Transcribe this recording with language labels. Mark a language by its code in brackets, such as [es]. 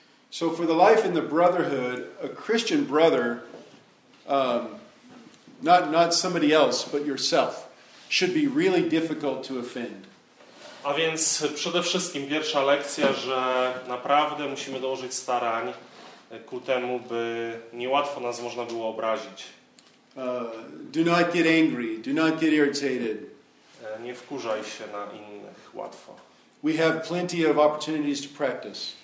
[en] So for the life in the brotherhood, a Christian brother, not somebody else, but yourself, should be really difficult to offend. [pl] A więc przede wszystkim pierwsza lekcja, że naprawdę musimy dołożyć starań ku temu, by niełatwo nas można było obrazić. [en] Do not get angry, do not get irritated. [pl] Nie wkurzaj się na innych łatwo. [en] We have plenty of opportunities to practice.